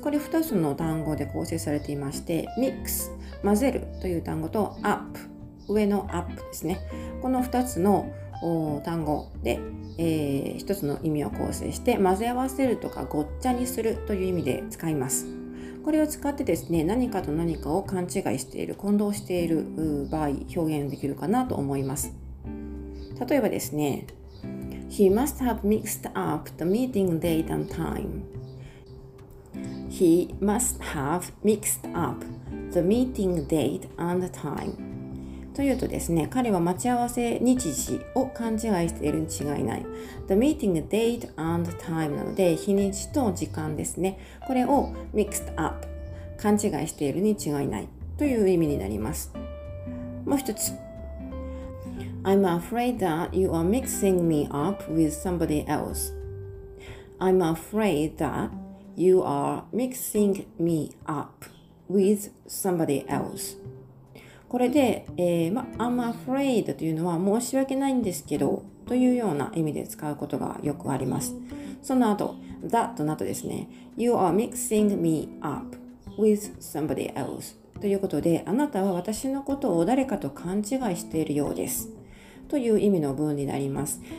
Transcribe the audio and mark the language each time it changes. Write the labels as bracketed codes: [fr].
[ja] これ2つの単語で構成されていまして、 mix 混ぜるという単語と up 上の up ですね、この2つの単語で、一つの意味を構成して、混ぜ合わせるとかごっちゃにするという意味で使います。これを使ってですね、何かと何かを勘違いしている、混同している場合表現できるかなと思います。例えばですね、 [en] He must have mixed up the meeting date and time. He must have mixed up the meeting date and time [ja] というとですね、彼は待ち合わせ日時を勘違いしているに違いない。 [en] The meeting date and time [ja] なので、日にちと時間ですね。これを [en] mixed up、 [ja] 勘違いしているに違いないという意味になります。もう一つ。 [en] I'm afraid that you are mixing me up with somebody else. I'm afraid that you are mixing me up with somebody else. [ja] これで、 [en] I'm afraid [ja] というのは申し訳ないんですけどというような意味で使うことがよくあります。その後、that となとですね、 [en] You are mixing me up with somebody else [ja] ということで、あなたは私のことを誰かと勘違いしているようですという意味の文になります。